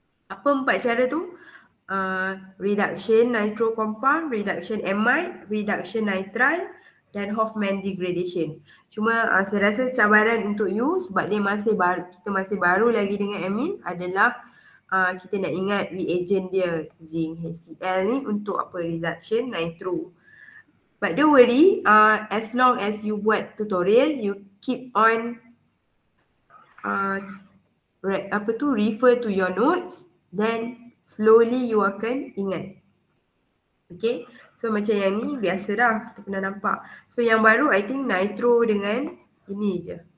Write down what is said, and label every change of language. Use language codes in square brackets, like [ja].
[ms] Apa 4 cara tu? Reduction nitro compound, reduction amide, reduction nitrile dan Hoffman degradation. Cuma saya rasa cabaran untuk you sebab dia masih baru, kita masih baru lagi dengan amine adalah kita nak ingat reagent dia zinc HCl ni untuk apa reduction nitro. [en] But don't worry, as long as you [ms] buat tutorial, [en] you keep on refer to your notes, then slowly you [ms] akan ingat. [en] Okay. [ms] So macam yang ni biasalah, kita pernah nampak. So yang baru [en] I think [ms] nitro dengan ini je.